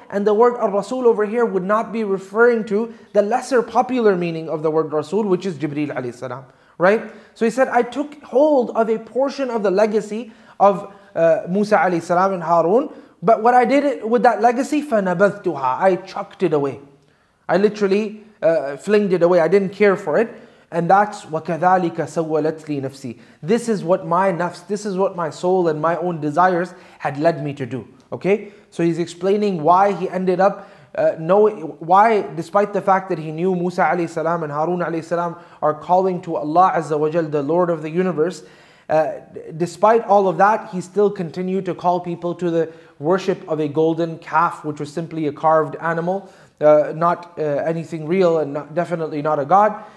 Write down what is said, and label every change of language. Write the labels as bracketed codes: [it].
[en] And the word al-Rasul over here would not be referring to the lesser popular meaning of the word Rasul, which is Jibreel alayhi salam. Right? So he said, I took hold of a portion of the legacy of Musa alayhi salam and Harun, but what I did with that legacy, [ar] فَنَبَذْتُهَا, [en] I chucked it away. I literally flinged it away. I didn't care for it. And that's [ar] وَكَذَلِكَ سَوَّلَتْ لِي نَفْسِي. [en] This is what my nafs, this is what my soul and my own desires had led me to do. Okay? So he's explaining why he ended up why, despite the fact that he knew Musa alayhi salam and Harun alayhi salam are calling to Allah Azza wa Jal, the Lord of the universe, despite all of that, he still continued to call people to the worship of a golden calf, which was simply a carved animal, not anything real, and not, definitely not a god.